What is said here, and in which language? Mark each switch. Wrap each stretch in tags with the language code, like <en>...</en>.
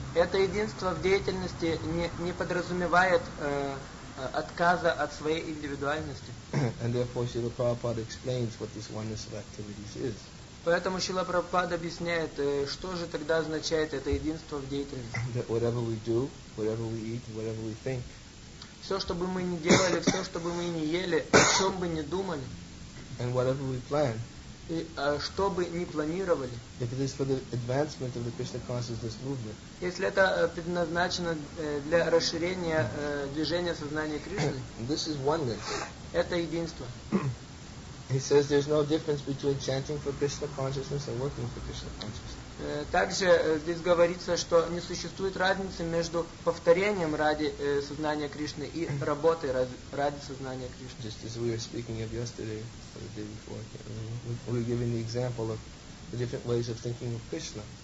<ru>Это единство в деятельности не подразумевает отказа от своей индивидуальности.</ru> <en>And therefore Śrīla Prabhupāda explains what this oneness of activities is.</en> <ru>Поэтому Śrīla Prabhupāda объясняет, что же тогда означает это единство в деятельности.</ru> <en>That whatever we do, whatever we eat, whatever we think.</en> <ru>Все, что бы мы ни делали, все, что бы мы ни ели, о чем бы ни думали.</ru> <en>And whatever we plan.</en> <ru>И что бы ни планировали.</ru> <en>If it is for the advancement of the Krishna consciousness movement.</en> <ru>Если это предназначено для расширения движения сознания Кришны.</ru> <en>This is oneness.</en> <ru>Это единство.</ru> <en>He says there's no difference between chanting for Krishna consciousness and working for Krishna consciousness.</en> <ru>Также здесь говорится, что не существует разницы между повторением ради сознания Кришны и работой ради сознания Кришны.</ru> <en>Just as we were speaking of yesterday, or the day before, we were giving the example of the different ways of thinking of Krishna.</en>